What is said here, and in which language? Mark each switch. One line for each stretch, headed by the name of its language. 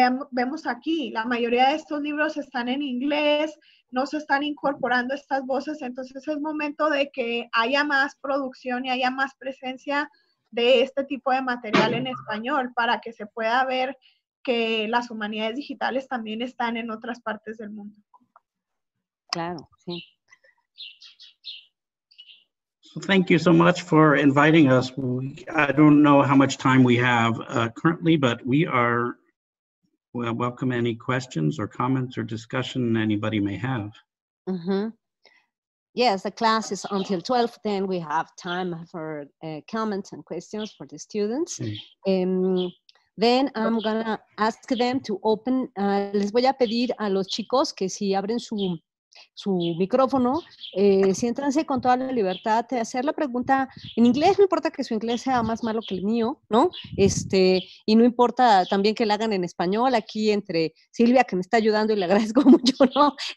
Spanish: vemos aquí, la mayoría de estos libros están en inglés, no se están incorporando estas voces, entonces es momento de que haya más producción y haya más presencia de este tipo de material en español para que se pueda ver que las humanidades digitales también están en otras partes del mundo. Claro, sí.
English: Thank you so much for inviting us. I don't know how much time we have currently, but we are welcome any questions or comments or discussion anybody may have. Mm-hmm. Yes, the class is until 12, then we have time for comments and questions for the students. Mm-hmm. Then I'm going to ask them to open,
Spanish: les voy a pedir a los chicos que si abren su micrófono, siéntanse con toda la libertad de hacer la pregunta en inglés. No importa que su inglés sea más malo que el mío, ¿no? Y no importa también que la hagan en español. Aquí entre Silvia, que me está ayudando y le agradezco mucho, ¿no?